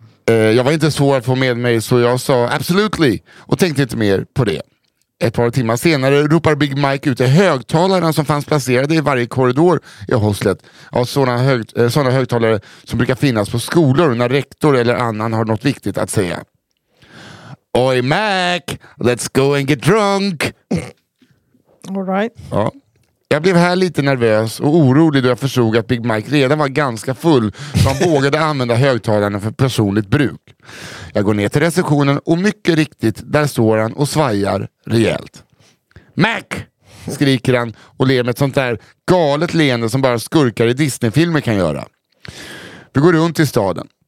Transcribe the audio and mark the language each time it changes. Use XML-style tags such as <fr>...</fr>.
<sv>Jag var inte svår att få med mig, så jag sa absolutely och tänkte inte mer på det. Ett par timmar senare ropar Big Mike ut i högtalarna som fanns placerade i varje korridor i hostlet. Av sådana högtalare som brukar finnas på skolor när rektor eller annan har något viktigt att säga.</sv> <en>Oj Mac, let's go and get drunk! All right.</en> <sv>Ja. Jag blev här lite nervös och orolig då jag förstod att Big Mike redan var ganska full, så han vågade använda högtalarna för personligt bruk. Jag går ner till receptionen och mycket riktigt, där står han och svajar rejält. Mac! Skriker han och ler med ett sånt där galet leende som bara skurkar i Disney-filmer kan göra. Vi går runt i staden.</sv>